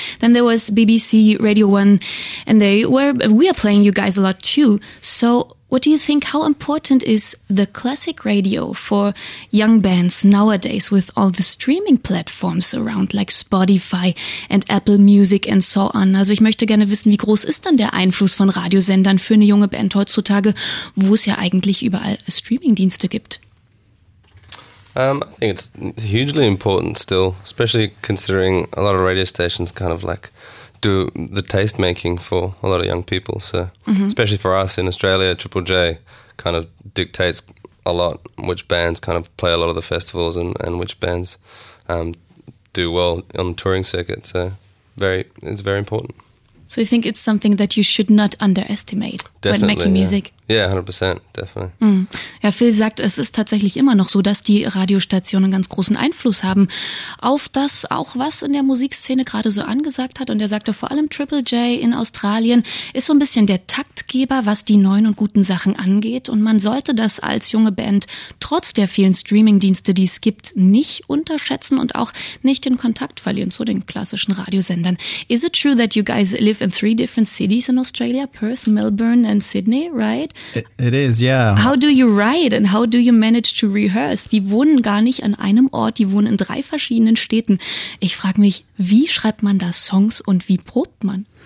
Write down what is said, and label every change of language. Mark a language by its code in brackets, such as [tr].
[en] Then there was BBC Radio 1 and we are playing you guys a lot too. So what do you think, how important is the classic radio for young bands nowadays with all the streaming platforms around like Spotify and Apple Music and so on? [de] Also ich möchte gerne wissen, wie groß ist denn der Einfluss von Radiosendern für eine junge Band heutzutage, wo es ja eigentlich überall Streamingdienste gibt? [en] I think it's hugely important still, especially considering a lot of radio stations kind of like do the taste making for a lot of young people. So especially for us in Australia, Triple J kind of dictates a lot which bands kind of play a lot of the festivals and which bands do well on the touring circuit. So it's very important. So you think it's something that you should not underestimate definitely, when making music? Yeah, 100%, definitely. [de] Ja, Phil sagt, es ist tatsächlich immer noch so, dass die Radiostationen einen ganz großen Einfluss haben auf das, auch was in der Musikszene gerade so angesagt hat. Und er sagte, vor allem Triple J in Australien ist so ein bisschen der Taktgeber, was die neuen und guten Sachen angeht. Und man sollte das als junge Band trotz der vielen Streamingdienste, die es gibt, nicht unterschätzen und auch nicht den Kontakt verlieren zu den klassischen Radiosendern. [en] Is it true that you guys live in 3 different cities in Australia? Perth, Melbourne and Sydney, right? It is, yeah. How do you write and how do you manage to rehearse? [de] Die wohnen gar nicht an einem Ort, die wohnen in 3 verschiedenen Städten. Ich frage mich, wie schreibt man da Songs und wie probt man?